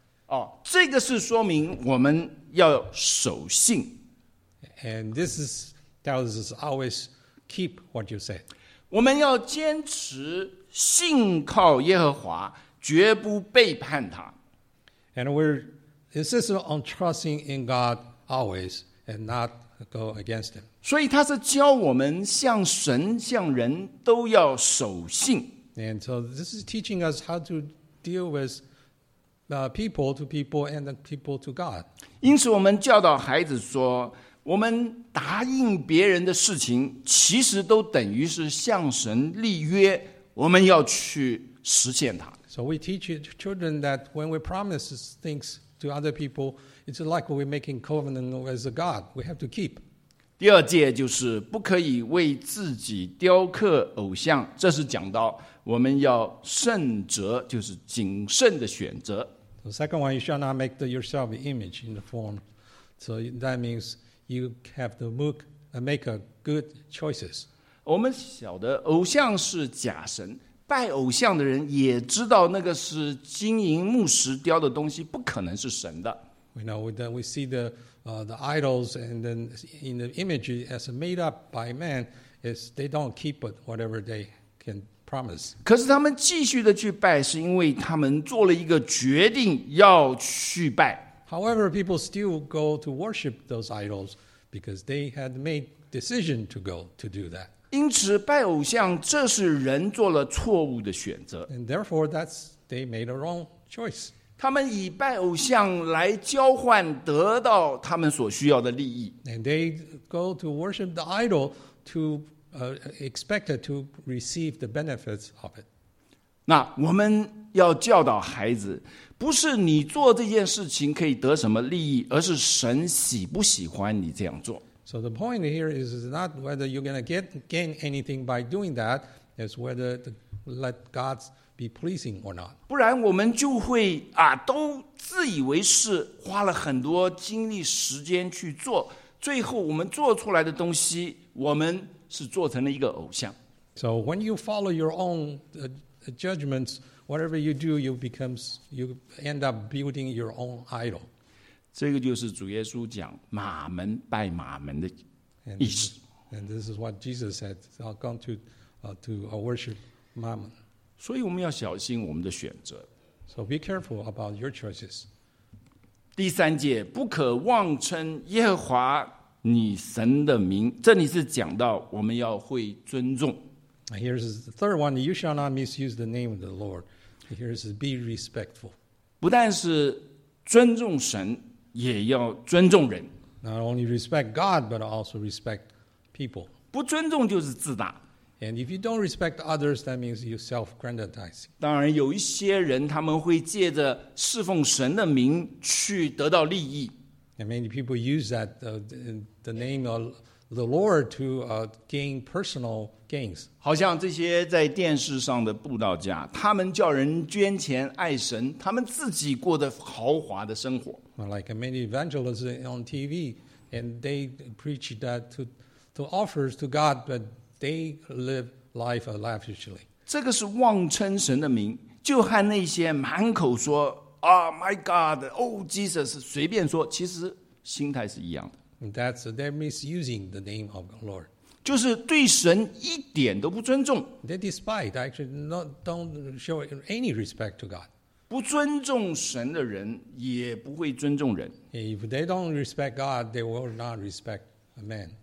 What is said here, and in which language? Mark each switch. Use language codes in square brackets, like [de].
[zh] Oh, 这个是说明我们要守信。 [en] And this is tells us always keep what you said. [zh] 我们要坚持信靠耶和华，绝不背叛他。 [en] And we're insisting on trusting in God always and not go against him. [zh] 所以他是教我们向神、向人都要守信。 [en] And so this is teaching us how to deal with people to people and people to God. [zh] 因此我们教导孩子说，我们答应别人的事情，其实都等于是向神立约，我们要去实现它。 [en] So we teach children that when we promise things to other people, it's like we're making covenant with God. We have to keep. [zh] 第二戒就是不可以为自己雕刻偶像，这是讲到我们要慎择，就是谨慎的选择。 [en] The second one, you shall not make yourself an image in the form. So that means you have to make a good choices. [zh] 我们晓得偶像是假神，拜偶像的人也知道那个是金银木石雕的东西，不可能是神的。 [en] We know that we see the idols and then in the image as made up by man is they don't keep it whatever they can promise. [zh] 可是他们继续的去拜，是因为他们做了一个决定要去拜。 [en] However, people still go to worship those idols because they had made decision to go to do that. [zh] 因此，拜偶像这是人做了错误的选择。 [en] And therefore, that's they made a wrong choice. [zh] 他们以拜偶像来交换得到他们所需要的利益。 [en] And they go to worship the idol to expect to receive the benefits of it. [zh] 那我们要教导孩子，不是你做这件事情可以得什么利益，而是神喜不喜欢你这样做。 [en] So the point here is not whether you're going to gain anything by doing that, it's whether to let God's. Be pleasing or not. [zh] 不然我们就会啊，都自以为是，花了很多精力时间去做，最后我们做出来的东西，我们是做成了一个偶像。 [en] So when you follow your own judgments, whatever you do, you end up building your own idol. [zh] 这个就是主耶稣讲马门拜马门的意思。 [en] And this is what Jesus said. I've gone to worship Mammon. [zh] 所以我们要小心我们的选择。 [en] So be careful about your choices. [zh] 第三节，不可妄称耶和华你神的名。这里是讲到我们要会尊重。 [en] Here's the third one. You shall not misuse the name of the Lord. Here's be respectful. [zh] 不但是尊重神，也要尊重人。 [en] Not only respect God, but also respect people. [zh] 不尊重就是自大。 [en] And if you don't respect others, that means you self-grandizing. [zh] 当然有一些人他们会借着侍奉神的名去得到利益。 [en] And many people use that, the name of the Lord to gain personal gains. [zh] 好像这些在电视上的布道家，他们叫人捐钱爱神，他们自己过得豪华的生活。 [en] Like many evangelists on TV, and they preach that to offers to God, but they live life lavishly. [zh] 这个是妄称神的名，就和那些满口说 [en] Oh my God, oh Jesus, [zh] 随便说，其实心态是一样的。 [en] That's they're misusing the name of the Lord. [zh] 就是对神一点都不尊重。 [en] They despise, actually don't show any respect to God. [zh] 不尊重神的人也不会尊重人。 [en] If they don't respect God, they will not respect a man.